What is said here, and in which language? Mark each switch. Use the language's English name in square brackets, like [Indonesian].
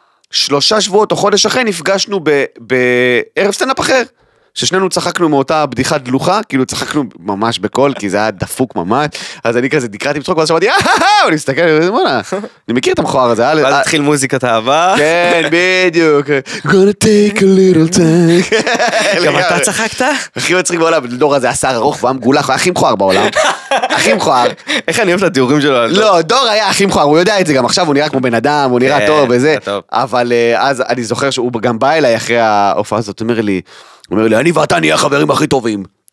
[Hebrew] שלושה שבועות או חודש אחרי נפגשנו בערב סטנדאפ אחר, ששנינו צחקנו מאותה בדיחת דלוחה, כאילו צחקנו ממש בקול, כי זה היה דפוק ממש, אז אני כזה דקראתי מצחוק, ואז שמעתי, אני מסתכל, אני מכיר את המכוער הזה. ואז התחיל מוזיקת אהבה. כן, בדיוק. [English] Gonna take a little time. [Hebrew] גם אתה צחקת? הכי מצחיק בעולם, דור הזה היה שר ארוך ועם גולח, הוא היה הכי מכוער בעולם. הכי מכוער. איך אני אוהב את התיאורים שלו? לא, דור היה הכי מכוער, הוא יודע את זה גם עכשיו, הוא נראה כמו בן אדם, הוא נראה טוב וזה. אבל אז אני זוכר שהוא גם בא אליי אחרי ההופעה הזאת, אומר לי, אני ואתה נהיה החברים הכי טובים.